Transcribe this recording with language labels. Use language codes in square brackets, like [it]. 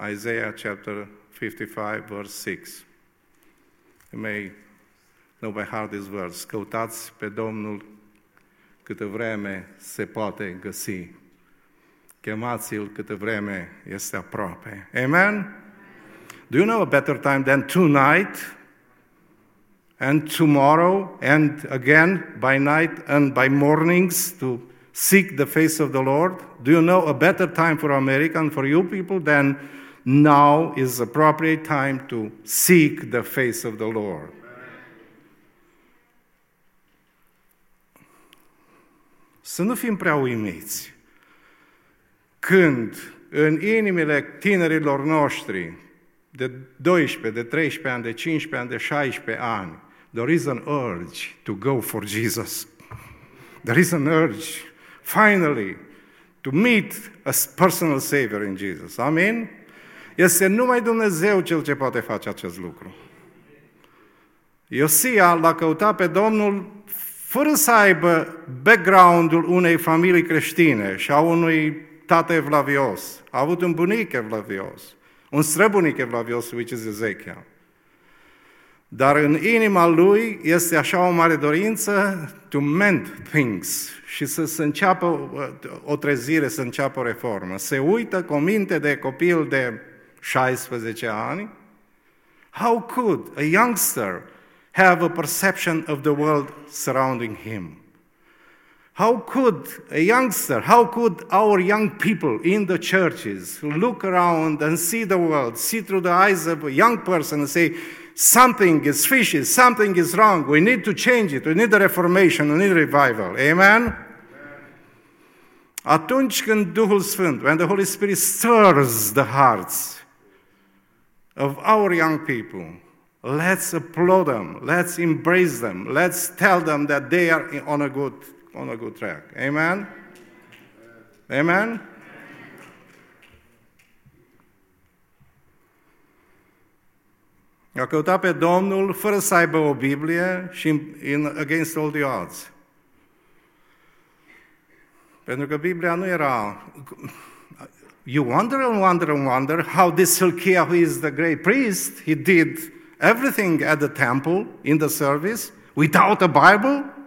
[en] Isaiah chapter 55, verse 6. You may [ro] Numai Hard is Words. Căutați pe Domnul câtă vreme se poate găsi. Chemați-L câtă vreme este aproape. Amen? [en] Do you know a better time than tonight? And tomorrow? And again by night and by mornings to seek the face of the Lord? Do you know a better time for America and for you people than now is the appropriate time to seek the face of the Lord? [ro] Să nu fim prea uimiți când în inimile tinerilor noștri de 12, de 13 ani, de 15 ani, de 16 ani, [en] there is an urge to go for Jesus. There is an urge, finally, to meet a personal Savior in Jesus. Amin? [ro] Este numai Dumnezeu Cel ce poate face acest lucru. Iosia l-a căutat pe Domnul fără să aibă background-ul unei familii creștine și a unui tată evlavios. A avut un bunic evlavios, un străbunic evlavios, [en] which is Ezechiel. [ro] Dar în inima lui este așa o mare dorință [en] to mend things [ro] și să se înceapă o trezire, să înceapă o reformă. Se uită cu minte de copil de 16 ani. [en] How could a youngster have a perception of the world surrounding him? How could a youngster, how could our young people in the churches look around and see the world, see through the eyes of a young person and say, something is fishy, something is wrong, we need to change it, we need a reformation, we need a revival. Amen? Amen. [ro] Atunci când Duhul Sfânt, [en] when the Holy Spirit stirs the hearts of our young people, let's applaud them, let's embrace them, let's tell them that they are on a good track. Amen? Amen? Amen. [ro] A căutat pe Domnul fără să aibă o Biblie și [en] in against all the odds. [ro] Pentru că Biblia nu era... [en] You wonder and wonder and wonder how this Hilkiah, who is the great priest, he did everything at the temple, in the service, without a Bible?